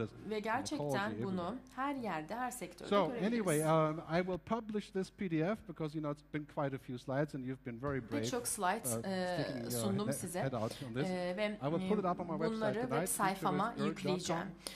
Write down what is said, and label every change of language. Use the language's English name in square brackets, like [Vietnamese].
[Turkish] Ve gerçekten bunu her yerde, her sektörde görebiliriz. [English] Anyway, I will publish this PDF because you know it's been quite a few slides and you've been very brave. [Turkish] Birçok slide sundum size. Ve [English] I will put it up on my [Turkish] bunları web sayfama yükleyeceğim.